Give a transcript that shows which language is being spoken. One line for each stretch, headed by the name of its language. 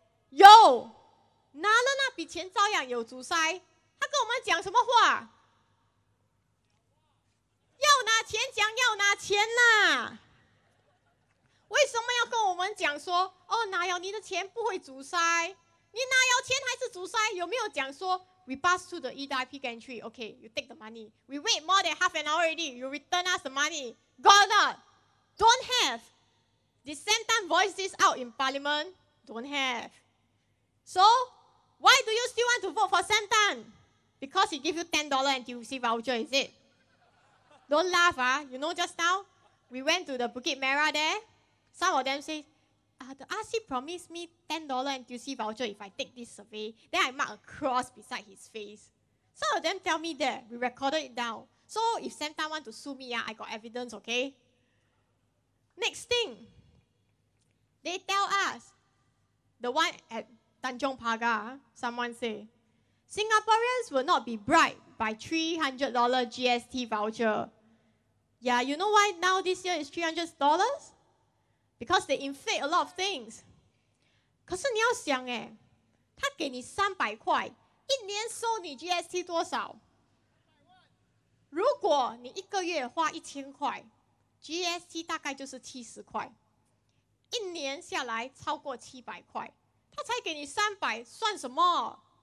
Chinese: 有， 拿了那笔钱照样有阻塞。他跟我们讲什么话？要拿钱讲要拿钱啦。为什么要跟我们讲说， 哦，拿了你的钱不会阻塞， 你拿了钱还是阻塞？有没有讲说，
English: We pass to the EDIP gantry, okay, you take the money. We wait more than half an hour already, you return us the money. Got it? Don't have. Did Sam Tan voice this out in parliament? Don't have. So, why do you still want to vote for Sam Tan? Because he gives you $10 NTUC voucher, is it? Don't laugh, ah. You know just now, we went to the Bukit Merah there. Some of them say, the RC promised me $10 NTUC voucher if I take this survey. Then I mark a cross beside his face. Some of them tell me that. We recorded it down. So if Sam Tan want to sue me, I got evidence, okay? Next thing. They tell us, the one at Tanjong Pagar, someone say, Singaporeans will not be bribed by $300 GST voucher. Yeah, you know why now this year is $300? Because they inflate a lot of things.
Chinese: 可是你要想诶， 他给你300块， 一年收你 GST多少？如果你一个月花1000块， GST大概就是70块， 一年下来超过700块， 他才给你300， 算什么？